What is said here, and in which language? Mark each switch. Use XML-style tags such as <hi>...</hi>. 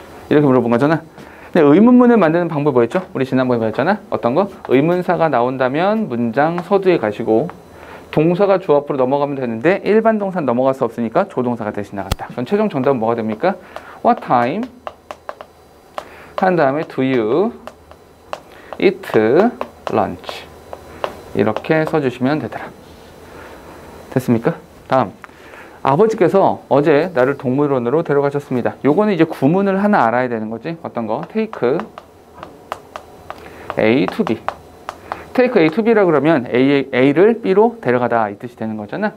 <ko>이렇게 물어본 거잖아. 근데 의문문을 만드는 방법이 뭐였죠? 우리 지난번에 배웠잖아. 어떤 거? 의문사가 나온다면 문장 서두에 가시고 동사가 주 앞으로 넘어가면 되는데 일반 동사는 넘어갈 수 없으니까 조동사가 대신 나갔다. 그럼 최종 정답은 뭐가 됩니까?</ko> <en>What time?</en> <ko>한 다음에</ko> <en>Do you eat lunch?</en> <ko>이렇게 써주시면 되더라. 됐습니까? 다음. 아버지께서 어제 나를 동물원으로 데려가셨습니다. 요거는 이제 구문을 하나 알아야 되는 거지. 어떤 거?</ko> <en>Take A to B.</en> <ko>Take A to B라고 그러면 A를 B로 데려가다 이 뜻이 되는 거잖아.</ko>